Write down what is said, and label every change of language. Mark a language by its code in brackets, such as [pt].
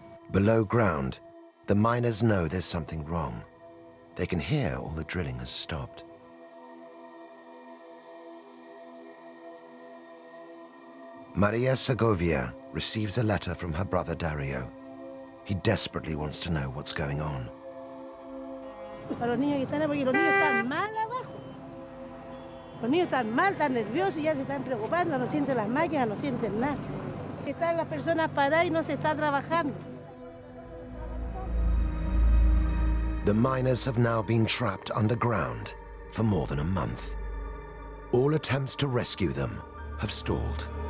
[en] Below ground, the miners know there's something wrong. They can hear all the drilling has stopped. Maria Segovia receives a letter from her brother Dario. He desperately wants to know what's going on. [es] Los niños están mal, están nerviosos, ya se están preocupando, no sienten las máquinas, no sienten nada. Están las personas paradas y no se está trabajando. [en] The miners have now been trapped underground for more than a month. All attempts to rescue them have stalled.